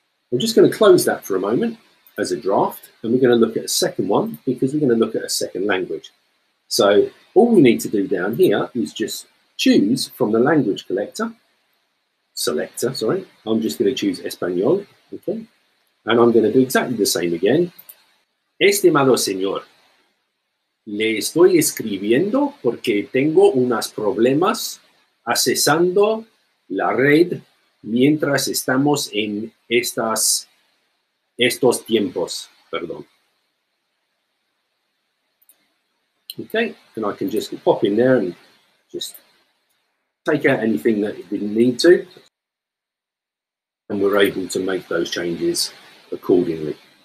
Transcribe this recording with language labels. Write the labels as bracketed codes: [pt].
[en] I'm just going to close that for a moment as a draft, and we're going to look at a second one because we're going to look at a second language. So all we need to do down here is just choose from the language selector, I'm just going to choose Espanol, okay? And I'm going to do exactly the same again. [es] Estimado señor, le estoy escribiendo porque tengo unos problemas accesando la red mientras estamos en estos tiempos. Perdón. [en] Okay, and I can just pop in there and just take out anything that it didn't need to. And we're able to make those changes accordingly.